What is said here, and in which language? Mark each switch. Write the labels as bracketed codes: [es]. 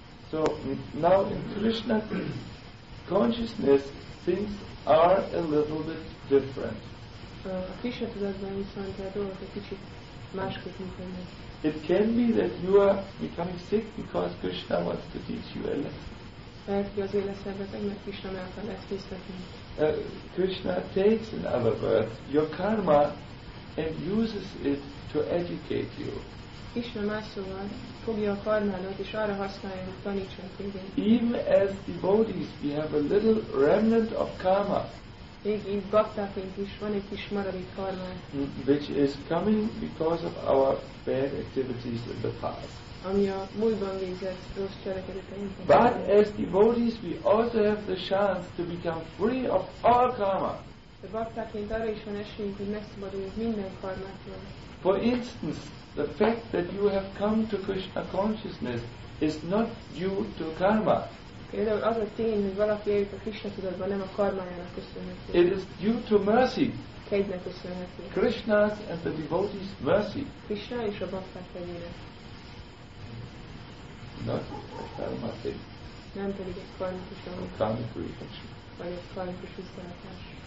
[en] So now in Krishna consciousness things are a little bit different. [hu] A Krishna tudatban viszont a dolgok egy kicsit másképp működnek. [en] It can be that you are becoming sick because Krishna wants to teach you a lesson. [hu] Lehet, hogy azért leszel beteg, mert Krishna meg akar ezt tisztetni. [en] Krishna takes, in other words, your karma and uses it to educate you. [hu] Krishna más szóval fogja a karmádat és arra használja, hogy tanítson téged. [en] Even as devotees, we have a little remnant of karma. [hu] Még így baktáként is van egy kis maradék karma. [en] Which is coming because of our bad activities in the past. [hu] Ami a múltban végzett rossz cselekedeteinket. [en] But as devotees we also have the chance to become free of all karma. [hu] De baktáként arra is van esélyünk, hogy megszabaduljunk minden karmától. [en] For instance, the fact that you have come to Krishna consciousness is not due to karma. [hu] Például az a tény, hogy valaki eljut a Krishna tudatba, nem a karmájának köszönhető. [en] It is due to mercy. [hu] Kegynek köszönhető. [en] Krishna's and the devotee's mercy. [hu] Krishna és a bhakták kegyére. [en] Not a karma thing. [hu] Nem pedig egy karmikus dolog. [en] A karmic reaction. [hu] Vagy egy karmikus visszahatás.